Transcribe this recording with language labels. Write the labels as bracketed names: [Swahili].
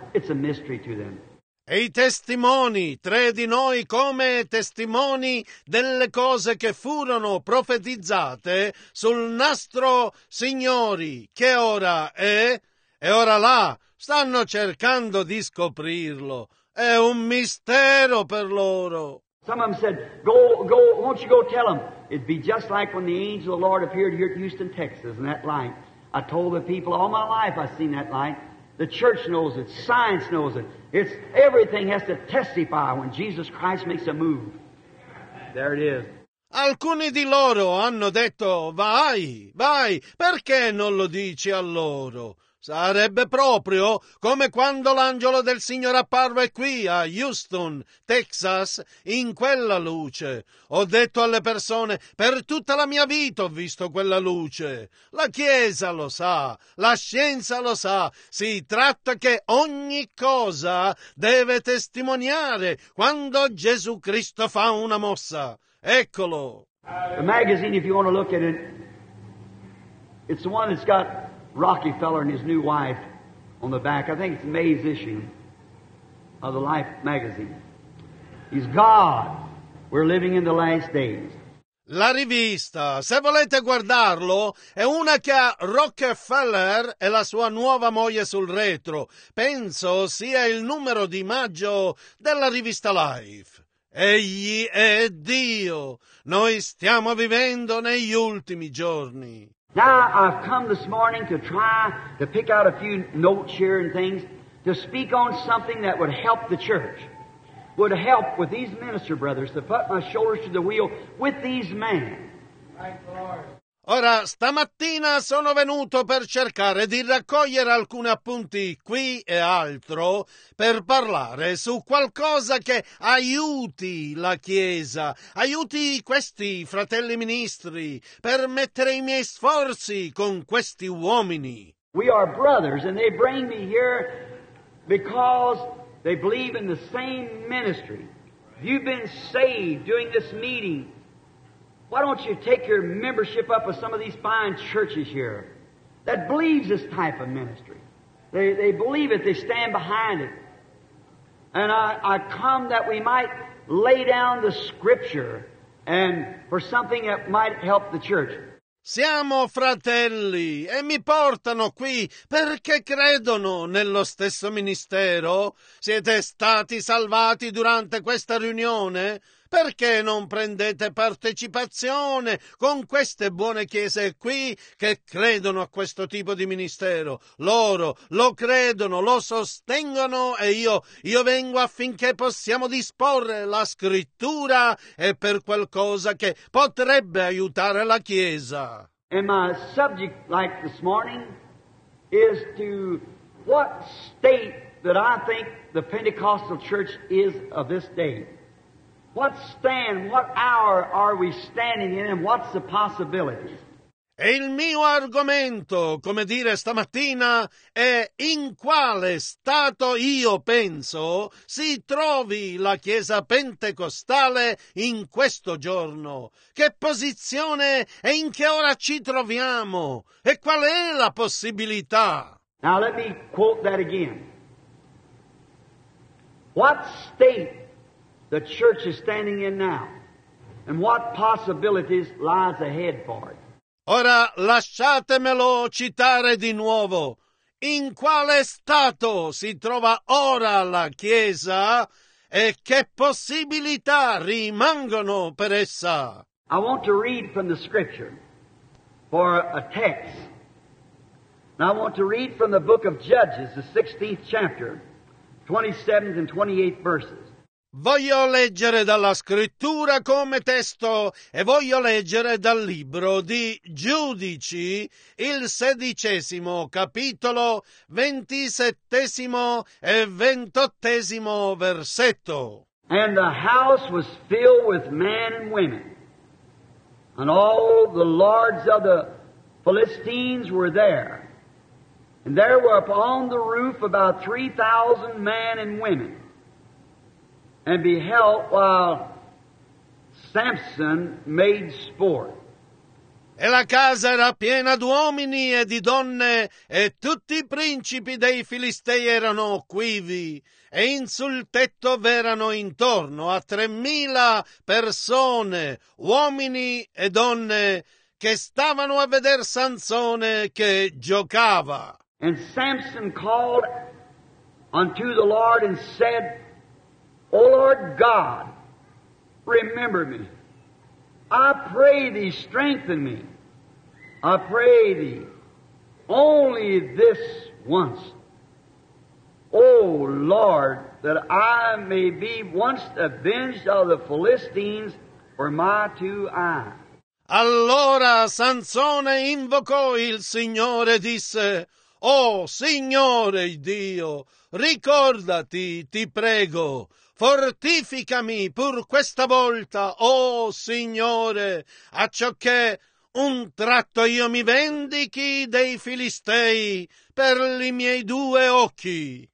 [English] It's a mystery to them. [Italian] E i testimoni, 3 di noi come testimoni delle cose che furono profetizzate sul nastro, signori, che ora è? E ora là, stanno cercando di scoprirlo. È un mistero per loro. [English] Some of them said, won't you go tell them? It'd be just like when the angel of the Lord appeared here at Houston, Texas, in that light. I told the people all my life I've seen that light. The church knows it. Science knows it. It's everything has to testify when Jesus Christ makes a move. There it is. [Italian] Alcuni di loro hanno detto, vai, vai, perché non lo dici a loro? Sarebbe proprio come quando l'angelo del Signore apparve qui a Houston, Texas, in quella luce. Ho detto alle persone, per tutta la mia vita ho visto quella luce. La Chiesa lo sa, la scienza lo sa, si tratta che ogni cosa deve testimoniare quando Gesù Cristo fa una mossa. Eccolo. [English] The magazine, if you want to look at it, it's the one that's got Rockefeller and his new wife on the back. I think it's May's issue of the Life magazine. He's God. We're living in the last days. [Italian] La rivista, se volete guardarlo, è una che ha Rockefeller e la sua nuova moglie sul retro. Penso sia il numero di maggio della rivista Life. Egli è Dio. Noi stiamo vivendo negli ultimi giorni. [English] Now I've come this morning to try to pick out a few notes here and things to speak on something that would help the church. Would help with these minister brothers to put my shoulders to the wheel with these men. [Italian] Ora, stamattina sono venuto per cercare di raccogliere alcuni appunti qui e altro per parlare su qualcosa che aiuti la Chiesa, aiuti questi fratelli ministri per mettere i miei sforzi con questi uomini. [English] We are brothers and they bring me here because they believe in the same ministry. You've been saved during this meeting. Why don't you take your membership up of some of these fine churches here that believes this type of ministry? They believe it. They stand behind it. And I come that we might lay down the scripture and for something that might help the church. [Italian] Siamo fratelli e mi portano qui perché credono nello stesso ministero. Siete stati salvati durante questa riunione? Perché non prendete partecipazione con queste buone chiese qui che credono a questo tipo di ministero? Loro lo credono, lo sostengono e io vengo affinché possiamo disporre la scrittura e per qualcosa che potrebbe aiutare la chiesa. [English] And my subject like this morning is to what state that I think the Pentecostal church is of this day. What stand, what hour are we standing in, and what's the possibility? [Italian] E il mio argomento, come dire stamattina, è in quale stato io penso si trovi la Chiesa Pentecostale in questo giorno? Che posizione e in che ora ci troviamo? E qual è la possibilità? [English] Now let me quote that again. What state the church is standing in now, and what possibilities lies ahead for it. [Italian] Ora lasciatemelo citare di nuovo. In quale stato si trova ora la Chiesa e che possibilità rimangono per essa? [English] I want to read from the scripture for a text. And I want to read from the book of Judges, the 16th chapter, 27th and 28th verses. [Italian] Voglio leggere dalla scrittura come testo e voglio leggere dal libro di Giudici, il 16° capitolo, 27° e 28° versetto. [English] And the house was filled with men and women, and all the lords of the Philistines were there. And there were upon the roof about 3,000 men and women. And beheld while Samson made sport. [Italian] E la casa era piena d'uomini e di donne, e tutti i principi dei Filistei erano quivi, e in sul tetto v'erano intorno a 3,000 persone, uomini e donne, che stavano a veder Sansone che giocava. [English] And Samson called unto the Lord and said, O Lord God, remember me. I pray thee, strengthen me. I pray thee, only this once. O Lord, that I may be once avenged of the Philistines for my two eyes. [Italian] Allora Sansone invocò il Signore e disse, O Signore Dio, ricordati, ti prego, fortificami pur questa volta, oh Signore, acciocché un tratto io mi vendichi dei Filistei per i miei due occhi.